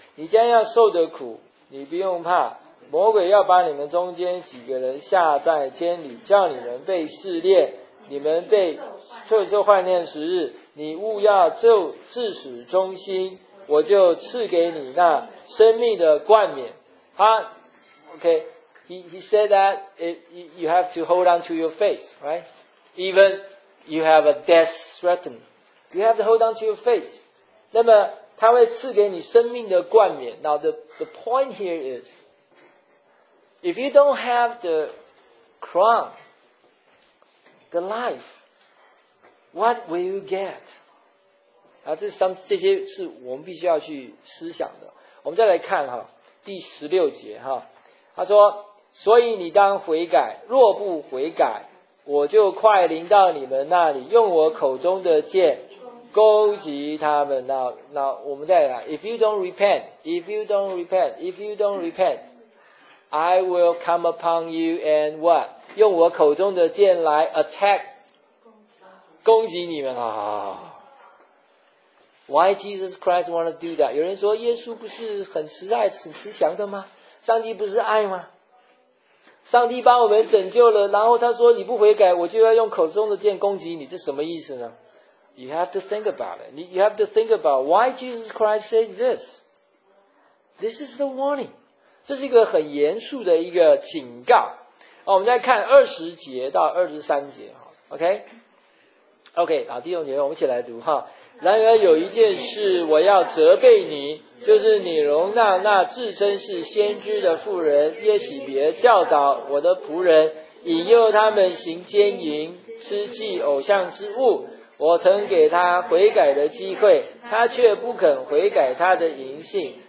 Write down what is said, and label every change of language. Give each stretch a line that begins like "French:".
Chinese: 你将要受的苦你不用怕，魔鬼要把你们中间几个人下在监里，叫你们被试炼，你们被受受患难时日，你务要就至死忠心，我就赐给你那生命的冠冕。
English: 他 OK， he said that you have to hold on to your faith, right? Even you have a death threatened, you have to hold on to your faith.
Chinese: 那么他会赐给你生命的冠冕。
English: Now the point here is, if you don't have the crown,The life, what will you get?
Chinese: 啊，这些是我们必须要去思想的。我们再来看哈，第十六节哈，他说：“所以你当悔改，若不悔改，我就快临到你们那里，用我口中的剑攻击他们。” 那我们再来
English: ，If you don't repent, if you don't repent, if you don't repent, I will come upon you and what?
Chinese: 用我口中的剑来 attack 攻击你们啊、
English: oh, Why Jesus Christ want to do that?
Chinese: 有人说耶稣不是很慈爱很慈祥的吗？上帝不是爱吗？上帝把我们拯救了，然后他说你不悔改，我就要用口中的剑攻击你，这什么意思呢？
English: You have to think about it. You have to think about why Jesus Christ said this. This is the warning.
Chinese: 这是一个很严肃的一个警告。哦、我们再看二十节到二十三节 OK OK 好，弟兄姐妹我们一起来读哈。然而有一件事我要责备你，就是你容纳那自称是先知的妇人耶洗别教导我的仆人，引诱他们行奸淫吃祭偶像之物，我曾给他悔改的机会，他却不肯悔改他的淫性。